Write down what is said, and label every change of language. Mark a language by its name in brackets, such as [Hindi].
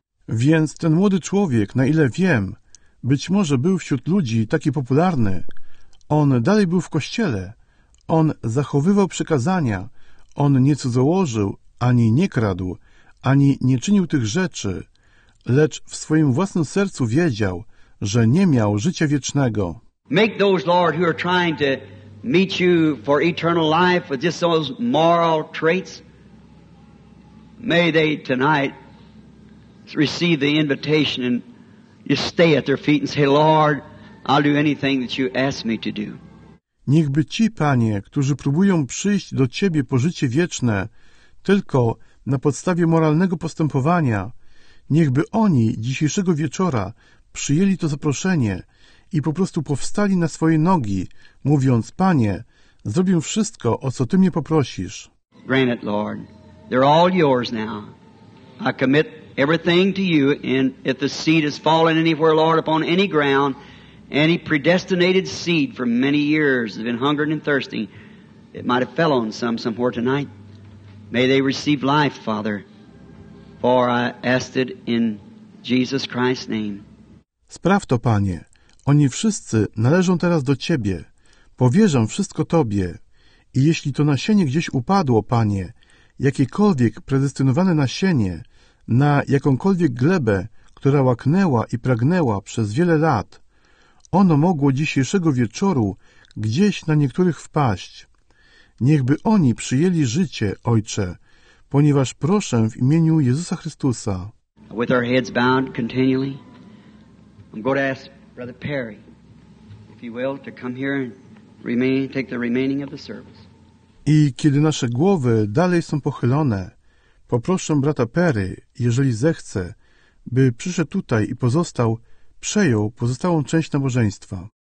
[Polish] Więc ten młody człowiek, na ile wiem, być może był wśród ludzi taki popularny. On dalej był w kościele. On zachowywał przykazania. On nie cudzołożył, ani nie kradł, ani nie czynił tych rzeczy. Lecz w swoim własnym sercu wiedział, że nie miał życia wiecznego. [English] Make those, Lord, who are trying to meet you for eternal life with just those moral traits, may they tonight receive the invitation and you stay at their feet and say, Lord, I'll do anything that you ask me to do. [Polish] Niechby ci, Panie, którzy próbują przyjść do Ciebie po życie wieczne tylko na podstawie moralnego postępowania, niechby oni dzisiejszego wieczora przyjęli to zaproszenie i po prostu powstali na swoje nogi, mówiąc: Panie, zrobię wszystko, o co Ty mnie poprosisz. [English] Grant it, Lord. They're all yours now. I commit everything to you, and if the seed has fallen anywhere, Lord, upon any ground, any predestinated seed for many years has been hungering and thirsting, it might have fell on some somewhere tonight. May they receive life, Father, for I ask it in Jesus Christ's name. [Polish] Spraw to, Panie. Oni wszyscy należą teraz do Ciebie. Powierzam wszystko Tobie. I jeśli to nasienie gdzieś upadło, Panie, jakiekolwiek predestynowane nasienie na jakąkolwiek glebę, która łaknęła i pragnęła przez wiele lat, ono mogło dzisiejszego wieczoru gdzieś na niektórych wpaść. Niechby oni przyjęli życie, Ojcze, ponieważ proszę w imieniu Jezusa Chrystusa. [English] With our heads bound continually, I'm going to ask Brother Perry, if you will, to come here and remain, take the remaining of the service. [Polish] I kiedy nasze głowy dalej są pochylone, poproszę brata Perry, jeżeli zechce, by przyszedł tutaj i przejął pozostałą część nabożeństwa.